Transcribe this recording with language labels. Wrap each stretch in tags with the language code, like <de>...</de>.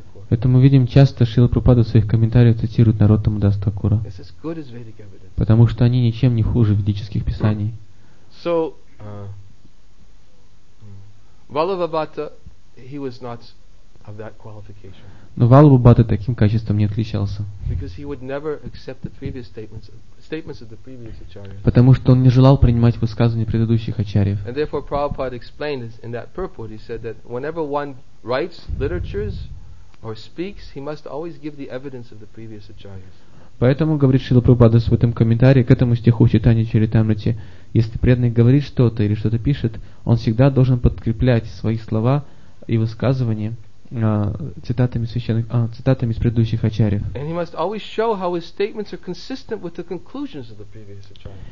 <ru>Это мы видим часто, Шрила Прабхупада в своих комментариях цитирует Narottam Das Thakur. Потому что они ничем не хуже ведических писаний.</ru> <en>So, Valabhabhata, he was not of that qualification.</en> <ru>Но Валабхабхата таким качеством не отличался.</ru> <en>Because he would never accept the previous statements of the previous acharyas.</en> <ru>Потому что он не желал принимать высказывания предыдущих ачарьев.</ru> <en>And therefore Prabhupada explained this in that purport, he said that whenever one writes literatures or speaks, he must always give the evidence of the previous acharyas.</en> <ru>Поэтому, говорит Шрила Прабхупада в этом комментарии к этому стиху Чайтанья Чаритамрити, если преданный говорит что-то или что-то пишет, он всегда должен подкреплять свои слова и высказывания цитатами из предыдущих ачарьев.</ru>